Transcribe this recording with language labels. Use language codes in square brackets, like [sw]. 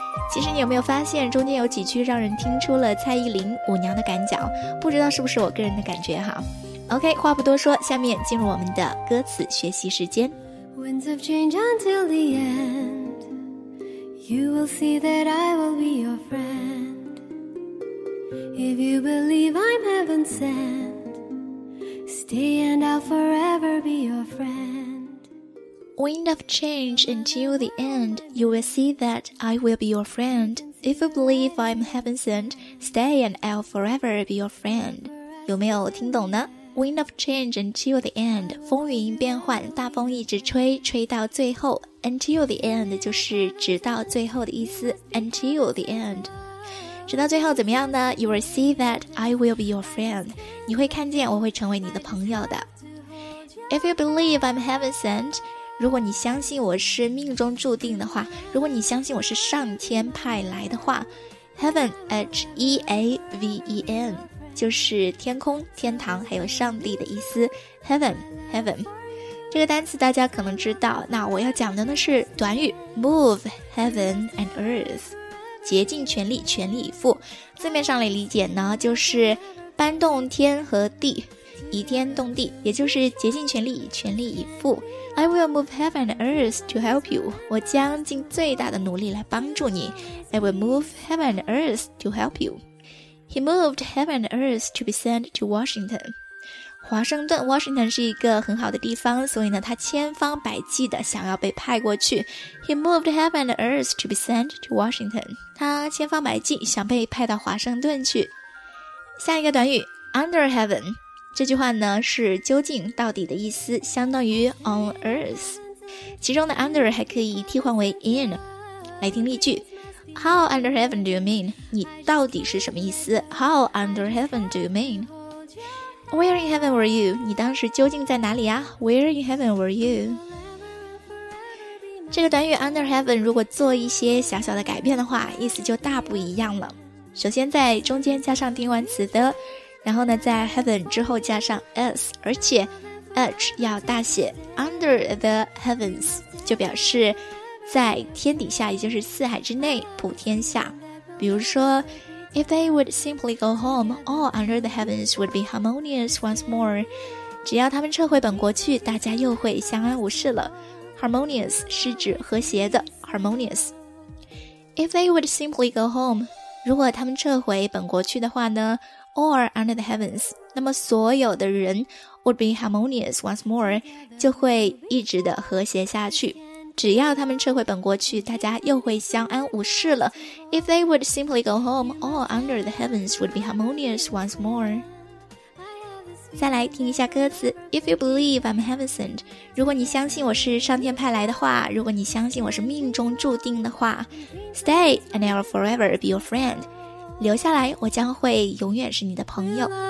[zh] 其实你有没有发现中间有几句让人听出了蔡依林舞娘的感脚，不知道是不是我个人的感觉哈。 OK， 话不多说，下面进入我们的歌词学习时间。 [en] Winds of change until the end. You will see that I will be your friend. If you believe I'm heaven sent, stay and I'll forever be your friend. Wind of change until the end, you will see that I will be your friend. If you believe I'm heaven sent, stay and I'll forever be your friend. [zh] 有没有听懂呢？ [en] Wind of change until the end, [zh] 风云变幻，大风一直吹，吹到最后。 [en] Until the end [zh] 就是直到最后的意思。Until the end 直到最后怎么样呢？ [en] You will see that I will be your friend, [zh] 你会看见我会成为你的朋友的。 [en] If you believe I'm heaven sent, [zh] 如果你相信我是命中注定的话，如果你相信我是上天派来的话， Heaven, H-E-A-V-E-N,就是天空、天堂还有上帝的意思。 Heaven, Heaven 这个单词大家可能知道，那我要讲的呢是短语 [en] Move, Heaven and Earth, [zh] 竭尽全力，全力以赴。字面上来理解呢，就是搬动天和地，以天动地，也就是竭尽全力，全力以赴。 [en] I will move heaven and earth to help you, [zh] 我将尽最大的努力来帮助你。 [en] I will move heaven and earth to help youHe moved heaven and earth to be sent to Washington. [zh] 华盛顿 Washington 是一个很好的地方，所以呢，他千方百计地想要被派过去。 [en] He moved heaven and earth to be sent to Washington. [zh] 他千方百计想被派到华盛顿去。下一个短语 [en] Under heaven [zh] 这句话呢是究竟到底的意思，相当于 [en] on earth. [zh] 其中的 under 还可以替换为 in. 来听例句。 [en] How under heaven do you mean? [zh] 你到底是什么意思？ [en] How under heaven do you mean? Where in heaven were you? [zh] 你当时究竟在哪里啊？ [en] Where in heaven were you? [zh] 这个短语 under heaven 如果做一些小小的改变的话，意思就大不一样了。首先在中间加上定冠词的，然后呢在 heaven 之后加上 s, 而且 h 要大写， [en] under the heavens [zh] 就表示在天底下，也就是四海之内，普天下。比如说 [en] If they would simply go home, all under the heavens would be harmonious once more. [zh] 只要他们撤回本国去，大家又会相安无事了。 Harmonious 是指和谐的， harmonious. [en] If they would simply go home, [zh] 如果他们撤回本国去的话呢， [en] all under the heavens, [zh] 那么所有的人 [en] would be harmonious once more, [zh] 就会一直的和谐下去。只要他们撤回本国去，大家又会相安无事了。 [en] If they would simply go home, all under the heavens would be harmonious once more. [zh] 再来听一下歌词。 [en] If you believe I'm heaven sent, [zh] 如果你相信我是上天派来的话，如果你相信我是命中注定的话， [en] Stay and I'll forever be your friend. [zh] 留下来，我将会永远是你的朋友。